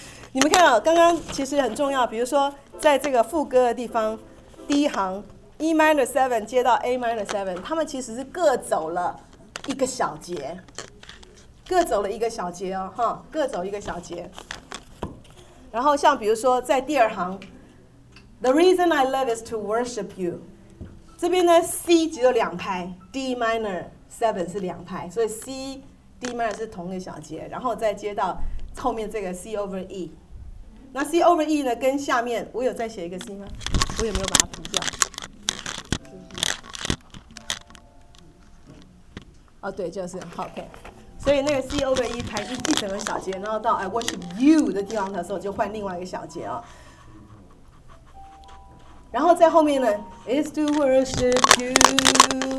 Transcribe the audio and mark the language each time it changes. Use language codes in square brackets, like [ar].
[zh] 你们看啊、哦，刚刚其实很重要，比如说在这个副歌的地方，第一行 E minor seven 接到 A minor seven， 他们其实是各走了一个小节，各走了一个小节哦，哈，各走一个小节。然后像比如说在第二行 [en] ，The reason I love is to worship you。 [zh] 这边呢 ，C 只有两拍 ，D minor seven 是两拍，所以 C D minor 是同一个小节，然后再接到后面这个 C over E。那 C over E 呢，跟下面我有再写一个 C 吗？我有没有把它补掉？哦，对，就是 OK。所以那个 C over E 弹一整个小节，然后到 [en] I worship you [zh] 的地方的时候，就换另外一个小节啊、哦。然后在后面呢 ， [en] is to worship you。